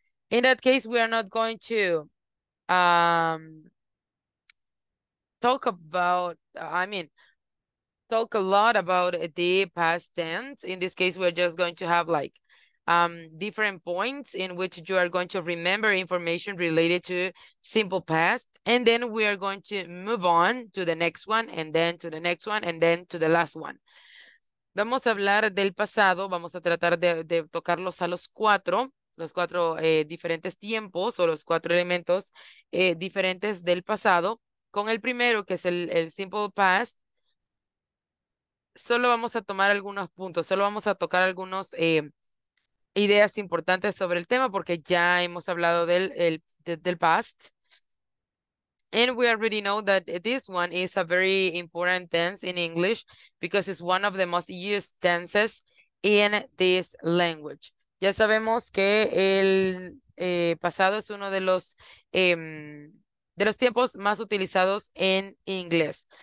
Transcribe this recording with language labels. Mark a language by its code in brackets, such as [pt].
[en] In that case, we are not going to talk about, I mean, talk a lot about the past tense. In this case, we're just going to have like different points in which you are going to remember information related to simple past. And then we are going to move on to the next one, and then to the next one, and then to the last one. [es] Vamos a hablar del pasado, vamos a tratar de tocarlos a los cuatro diferentes tiempos o los cuatro elementos diferentes del pasado. Con el primero, que es el simple past, solo vamos a tomar algunos puntos, solo vamos a tocar algunas ideas importantes sobre el tema porque ya hemos hablado del past. [en] And we already know that this one is a very important tense in English because it's one of the most used tenses in this language. [es] Ya sabemos que el pasado es uno de los tiempos más utilizados en inglés.